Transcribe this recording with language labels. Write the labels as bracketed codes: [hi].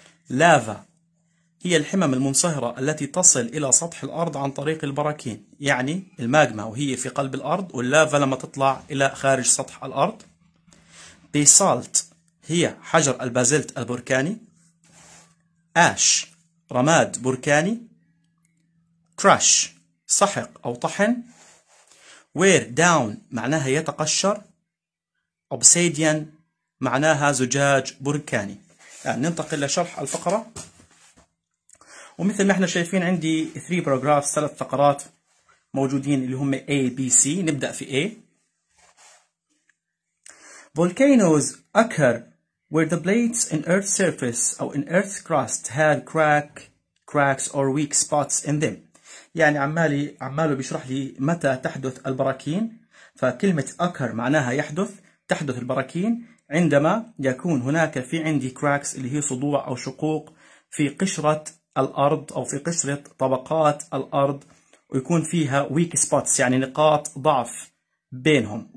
[ar] لافا هي الحمم المنصهرة التي تصل إلى سطح الأرض عن طريق البراكين، يعني الماجما وهي في قلب الأرض واللافا لما تطلع إلى خارج سطح الأرض، بيسالت هي حجر البازلت البركاني، آش رماد بركاني، كراش سحق أو طحن، وير داون معناها يتقشر، أوبسيديان معناها زجاج بركاني. يعني ننتقل لشرح الفقرة، ومثل ما احنا شايفين عندي 3 paragraphs، ثلاث فقرات موجودين اللي هم A, B, C. نبدأ في A. [en] Volcanoes occur where the plates in Earth's surface or in Earth's crust had cracks or weak spots in them. [ar] يعني عماله بيشرح لي متى تحدث البراكين. فكلمة occur معناها يحدث، تحدث البراكين عندما يكون هناك في عندي cracks اللي هي صدوع أو شقوق في قشرة الأرض أو في قشرة طبقات الأرض، ويكون فيها [en] weak spots [ar] يعني نقاط ضعف بينهم.